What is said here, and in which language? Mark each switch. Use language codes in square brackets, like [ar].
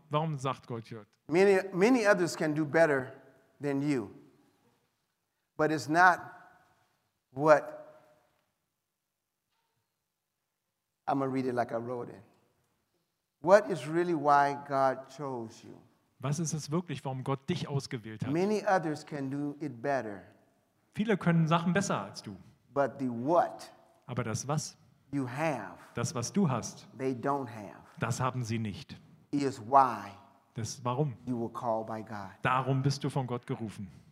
[de] Warum sagt Gott hier? [en] Many others can do better than you. But it's not what I'm gonna read it like I wrote it. What is really why God chose you? [de] Was ist es wirklich, warum Gott dich ausgewählt hat? [en] Many others can do it better. [de] Viele können Sachen besser als du. [en] But the what? [de] Aber das was? [en] You have. [de] Das was du hast. [en] They don't have. [de] Das haben sie nicht. [en] Is why. [de] Das warum? [en] You were called by God. [de] Darum bist du von Gott gerufen.